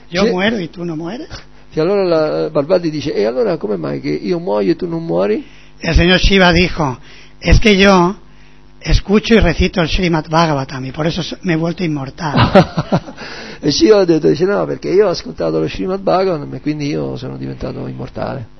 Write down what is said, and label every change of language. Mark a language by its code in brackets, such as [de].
[es] Yo muero y tú no mueres?" [it] E allora Parvati dice: "E allora come mai che io muoio e tu non muori?" E il signor [es] Shiva dijo: "Es que yo escucho y recito el Srimad Bhagavatam y por eso me he vuelto inmortal." [it] E Shiva ha detto, dice, no, perché io ho ascoltato lo Srimad Bhagavatam e quindi io sono diventato immortale.